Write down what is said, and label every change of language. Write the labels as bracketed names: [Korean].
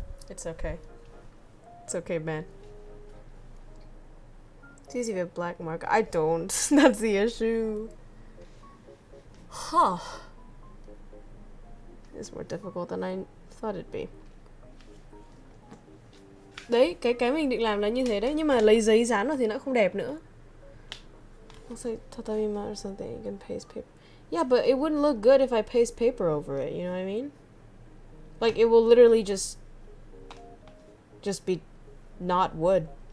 [English] It's okay. It's okay, man. It's easy with black mark. I don't. That's the issue. Huh. It's more difficult than I thought it'd be. [Vietnamese] Đấy, cái mình định làm là như thế đấy. Nhưng mà lấy giấy dán vào thì nó không đẹp nữa. [English] Looks like tatami mat or something. You can paste paper. Yeah, but it wouldn't look good if I paste paper over it, you know what I mean? Like, it will literally just be not wood.